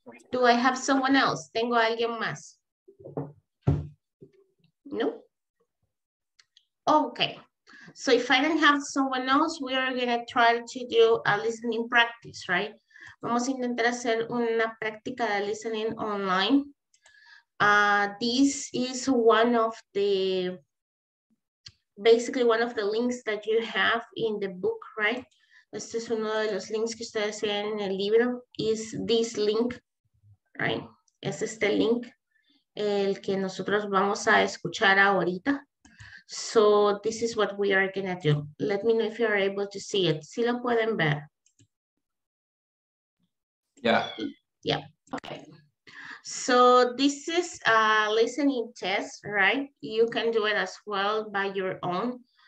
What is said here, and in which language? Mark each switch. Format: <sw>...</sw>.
<en>Do I have someone else?</en> <es>¿Tengo alguien más?</es> <en>No? Okay. So if I don't have someone else, we are going to try to do a listening practice, right?</en> <es>Vamos a intentar hacer una práctica de listening online.</es> <en>This is one of the, basically one of the links that you have in the book, right?</en> <es>Este es uno de los links que ustedes tienen en el libro.</es> <en>Is this link. Right.</en> <es>Es este link el que nosotros vamos a escuchar ahorita.</es> <en>So this is what we are going to do. Let me know if you are able to see it.</en> <es>¿Sí lo pueden ver?</es> <en>Yeah. Yeah. Okay. So this is a listening test, right? You can do it as well by your own.</en>